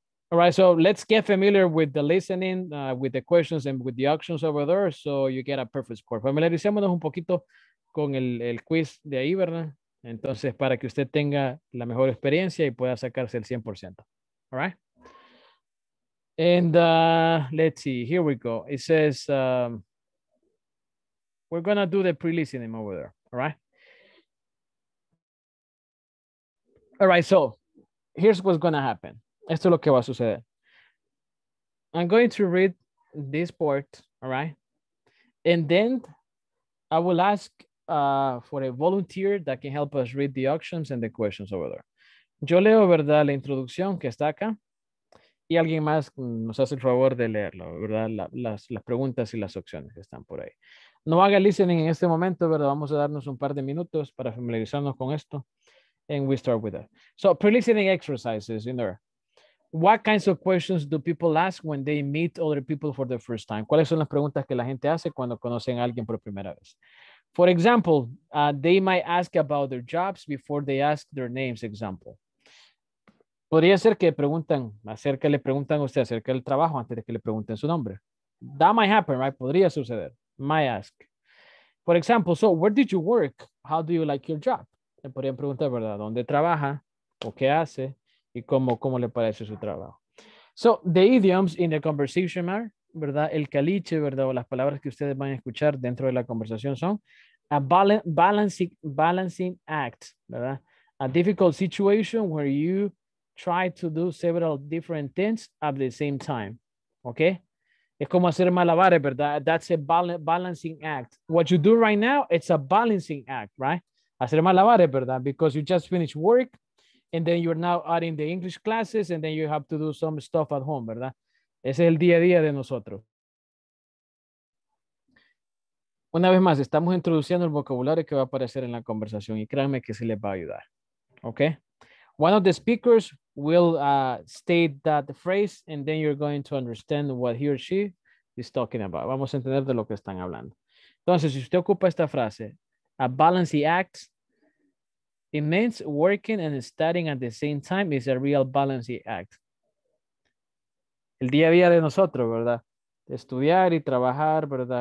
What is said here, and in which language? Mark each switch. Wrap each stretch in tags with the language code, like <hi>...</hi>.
<en>All right, so let's get familiar with the listening, with the questions and with the options over there, so you get a perfect score.</en> <es>Familiaricémonos un poquito con el quiz de ahí, ¿verdad? Entonces, para que usted tenga la mejor experiencia y pueda sacarse el 100%.</es> <en>All right? And let's see, here we go. It says, we're going to do the pre-listening over there. All right? All right, so here's what's going to happen.</en> <es>Esto es lo que va a suceder.</es> <en>I'm going to read this part, all right? And then I will ask for a volunteer that can help us read the options and the questions over there.</en> <es>Yo leo, ¿verdad?, la introducción que está acá. Y alguien más nos hace el favor de leerlo, ¿verdad? Las preguntas y las opciones que están por ahí. No haga listening en este momento, ¿verdad? Vamos a darnos un par de minutos para familiarizarnos con esto.</es> <en>And we start with that. So, pre-listening exercises in there. What kinds of questions do people ask when they meet other people for the first time?</en> <es>¿Cuáles son las preguntas que la gente hace cuando conocen a alguien por primera vez?</es> <en>For example, they might ask about their jobs before they ask their names, example.</en> <es>Podría ser que le preguntan a usted acerca del trabajo antes de que le pregunten su nombre.</es> <en>That might happen, right?</en> <es>Podría suceder.</es> <en>Might ask. For example, so where did you work? How do you like your job?</en> <es>Le podrían preguntar, ¿verdad? ¿Dónde trabaja? ¿O qué hace? ¿Y cómo le parece su trabajo?</es> <en>So, the idioms in the conversation are,</en> <es>¿verdad? El caliche, ¿verdad? O las palabras que ustedes van a escuchar dentro de la conversación son</es> <en>a balancing act,</en> <es>¿verdad?</es> <en>A difficult situation where you try to do several different things at the same time, ¿ok?</en> <es>Es como hacer malabares, ¿verdad?</es> <en>That's a balancing act. What you do right now, it's a balancing act, right?</en> <es>Hacer malabares, ¿verdad?</es> <en>Because you just finished work, and then you're now adding the English classes, and then you have to do some stuff at home, ¿verdad?</en> <es>Ese es el día a día de nosotros. Una vez más, estamos introduciendo el vocabulario que va a aparecer en la conversación, y créanme que sí les va a ayudar, ¿ok?</es> <en>One of the speakers will state that phrase, and then you're going to understand what he or she is talking about.</en> <es>Vamos a entender de lo que están hablando. Entonces, si usted ocupa esta frase,</es> <en>a balancing act, it means working and studying at the same time is a real balancing act.</en> <es>El día a día de nosotros, ¿verdad? Estudiar y trabajar, ¿verdad?</es>